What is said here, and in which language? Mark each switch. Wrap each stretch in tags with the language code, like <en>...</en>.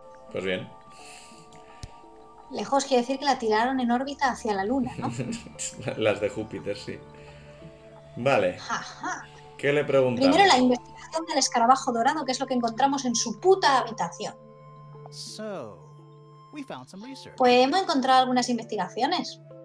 <es>Pues bien. Lejos quiere decir que la tiraron en órbita hacia la luna, ¿no? Las de Júpiter, sí. Vale. Ajá. ¿Qué le preguntamos? Primero la investigación del escarabajo dorado, que es lo que encontramos en su puta habitación.</es> <en>So, we found some research.</en> <es>Pues hemos encontrado algunas investigaciones.</es>